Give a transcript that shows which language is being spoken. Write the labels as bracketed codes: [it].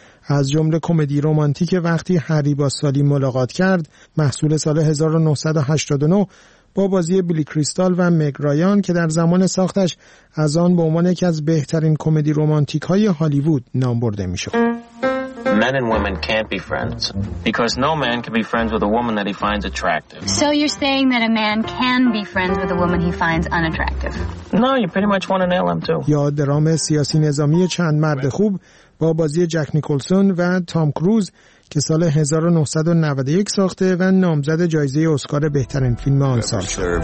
[fa] از جمله کمدی رمانتیک وقتی هری با سالی ملاقات کرد، محصول سال 1989 با بازی بیلی کریستال و مگ رایان که در زمان ساختش از آن به عنوان یکی از بهترین کمدی رمانتیک های هالیوود نام برده می شود. [en] Men and women can't be friends because no man can be friends with a woman that he finds attractive. So you're saying that a man can be friends with a woman he finds unattractive. No, you pretty much want to nail him too. [fa] یا درام سیاسی نظامی چند مرد خوب با بازی جک نیکلسون و تام کروز که سال 1991 ساخته و نامزد جایزه اسکار بهترین فیلم آن سال شد.